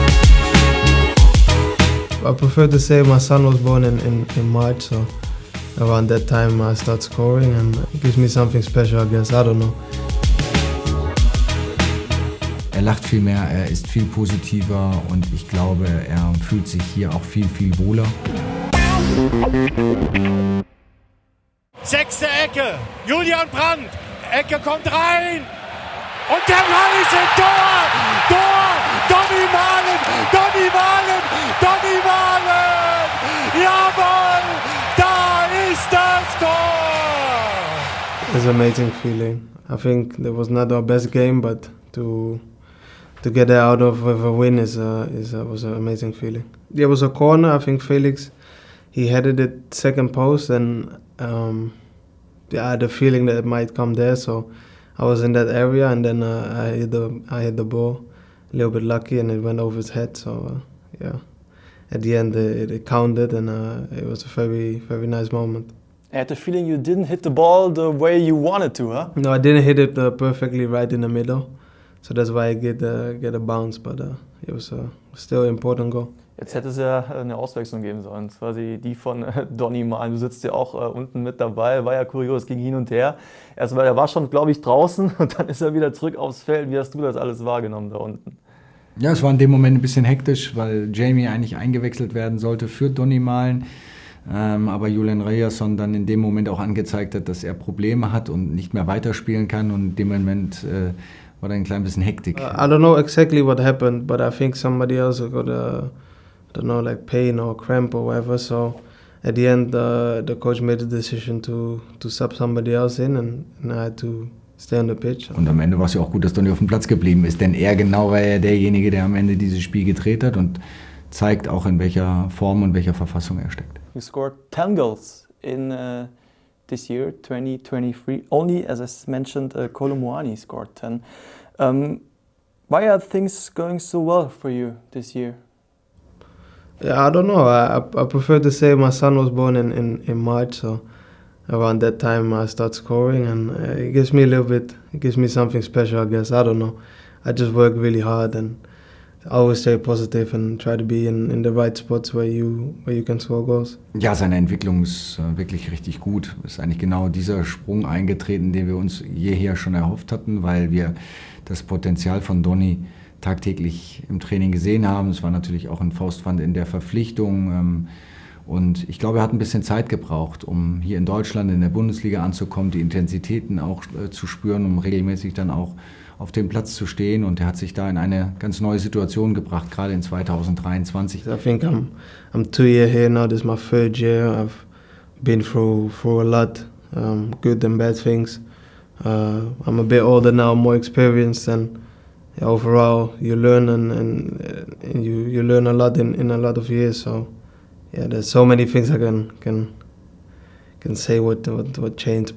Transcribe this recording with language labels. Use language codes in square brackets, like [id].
[en] I prefer to say my son was born in March, so around that time I start scoring, and it gives me something special, I guess. I don't know. [de] Er lacht viel mehr, er ist viel positiver und ich glaube, er fühlt sich hier auch viel, viel wohler. Sechste Ecke, Julian Brandt, Ecke kommt rein und der Mann ist im Tor, Tor, Donny Malen, Donny Malen, Donny Malen, jawohl, da ist das Tor. [en] It's an amazing feeling. I think that was not our best game, but to get it out of with a win was an amazing feeling. There was a corner, I think Felix, he headed it second post, and I had a feeling that it might come there, so I was in that area, and then I hit the ball, a little bit lucky, and it went over his head, so at the end it counted, and it was a very, very nice moment. I had the feeling you didn't hit the ball the way you wanted to, huh? No, I didn't hit it perfectly right in the middle, so that's why I get a bounce, but it was still an important goal. [de] Jetzt hätte es ja eine Auswechslung geben sollen, quasi die von Donny Malen. Du sitzt ja auch unten mit dabei, war ja kurios, ging hin und her. Erstmal, er war schon, glaube ich, draußen und dann ist er wieder zurück aufs Feld. Wie hast du das alles wahrgenommen da unten? Ja, es war in dem Moment ein bisschen hektisch, weil Jamie eigentlich eingewechselt werden sollte für Donny Malen. Aber Julian Reyerson dann in dem Moment auch angezeigt hat, dass er Probleme hat und nicht mehr weiterspielen kann. Und in dem Moment war dann ein klein bisschen Hektik. [en] I don't know exactly what happened, but I think somebody else got a... I don't know, like pain or cramp or whatever. So at the end, the coach made the decision to sub somebody else in and I had to stay on the pitch. [de] Und am Ende war es ja auch gut, dass Donny auf dem Platz geblieben ist, denn er genau war ja derjenige, der am Ende dieses Spiel gedreht hat und zeigt auch, in welcher Form und welcher Verfassung er steckt. [en] He scored 10 goals in this year, 2023. Only, as I mentioned, Kolo Muani scored 10. Why are things going so well for you this year? Yeah, I don't know. I prefer to say my son was born in March, so around that time I start scoring, and it gives me a little bit, it gives me something special, I guess. I don't know. I just work really hard and always stay positive and try to be in the right spots where you can score goals. [de] Ja, seine Entwicklung ist wirklich richtig gut. Ist eigentlich genau dieser Sprung eingetreten, den wir uns jeher schon erhofft hatten, weil wir das Potenzial von Donny tagtäglich im Training gesehen haben. Es war natürlich auch ein Faustpfand in der Verpflichtung. Und ich glaube, er hat ein bisschen Zeit gebraucht, um hier in Deutschland in der Bundesliga anzukommen, die Intensitäten auch zu spüren, um regelmäßig dann auch auf dem Platz zu stehen. Und er hat sich da in eine ganz neue Situation gebracht, gerade in 2023. [en] I think I'm 2 years here now. This is my third year. I've been through a lot, good and bad things. I'm a bit older now, more experienced than... Overall, you learn and you learn a lot in a lot of years. So, yeah, there's so many things I can say what changed.